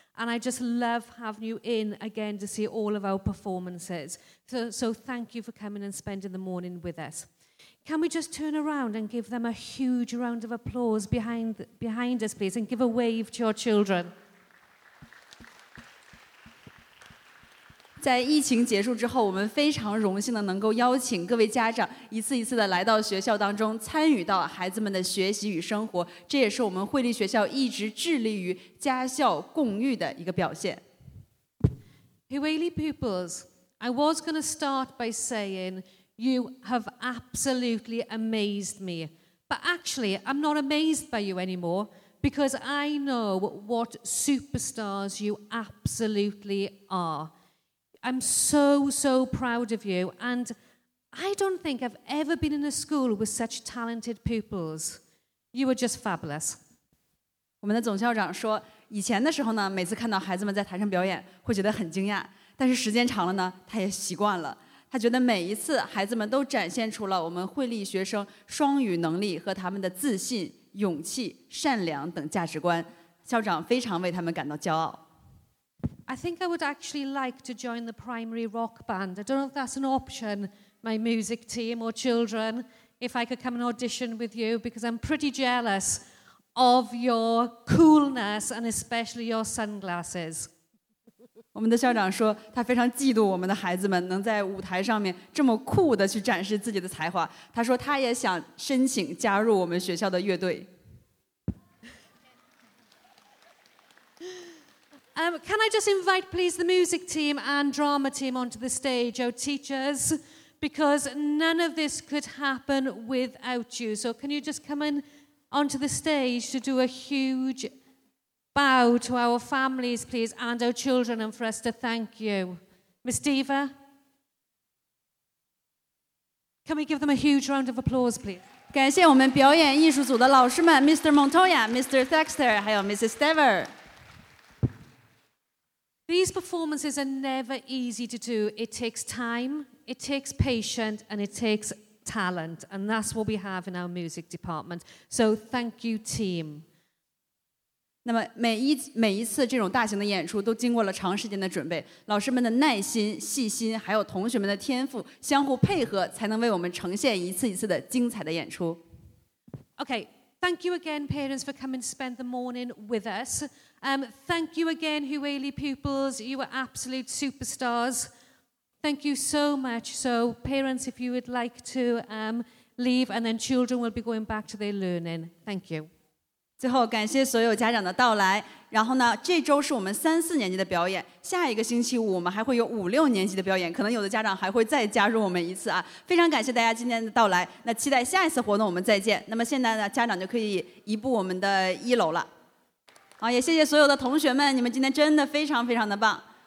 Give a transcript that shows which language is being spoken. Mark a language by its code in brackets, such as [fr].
[en] And I just love having you in again to see all of our performances. So thank you for coming and spending the morning with us. Can we just turn around and give them a huge round of applause behind us, please, and give a wave to your children? [zh] 在疫情结束之后，我们非常荣幸的能够邀请各位家长一次一次的来到学校当中，参与到孩子们的学习与生活。这也是我们惠利学校一直致力于家校共育的一个表现。 [en] Hueli pupils, I was going to start by saying. You have absolutely amazed me. But actually, I'm not amazed by you anymore because I know what superstars you absolutely are. I'm so, so proud of you. And I don't think I've ever been in a school with such talented pupils. You are just fabulous. [zh] 我们的总校长说，以前的时候呢，每次看到孩子们在台上表演，会觉得很惊讶。但是时间长了呢，他也习惯了。他觉得每一次孩子们都展现出了我们惠利学生双语能力和他们的自信、勇气、善良等价值观。校长非常为他们感到骄傲。 [en] I think I would actually like to join the primary rock band. I don't know if that's an option, my music team or children, if I could come and audition with you because I'm pretty jealous of your coolness and especially your sunglasses. [zh] 我们的校长说，他非常嫉妒我们的孩子们能在舞台上面这么酷的去展示自己的才华。他说，他也想申请加入我们学校的乐队。 [en] Can I just invite, please, the music team and drama team onto the stage, our teachers? Because none of this could happen without you. So can you just come in onto the stage to do a huge. Bow to our families, please, and our children, and for us to thank you. Miss Diva, can we give them a huge round of applause, please? [zh] 感谢我们表演艺术组的老师们 Mr. Montoya, Mr. Thaxter, 还有 Mrs. Dever. [en] These performances are never easy to do. It takes time, it takes patience, and it takes talent. And that's what we have in our music department. So thank you, team. [zh] 那么每一次这种大型的演出都经过了长时间的准备，老师们的耐心、细心，还有同学们的天赋，相互配合，才能为我们呈现一次一次的精彩的演出。 [en] Okay, thank you again, parents, for coming to spend the morning with us. Thank you again, Hueli pupils. You are absolute superstars. Thank you so much. So, parents, if you would like to leave, and then children will be going back to their learning. Thank you. [zh] 最后感谢所有家长的到来，然后呢，这周是我们三四年级的表演，下一个星期五我们还会有五六年级的表演，可能有的家长还会再加入我们一次啊。非常感谢大家今天的到来，那期待下一次活动我们再见。那么现在呢，家长就可以移步我们的一楼了。好，也谢谢所有的同学们，你们今天真的非常非常的棒。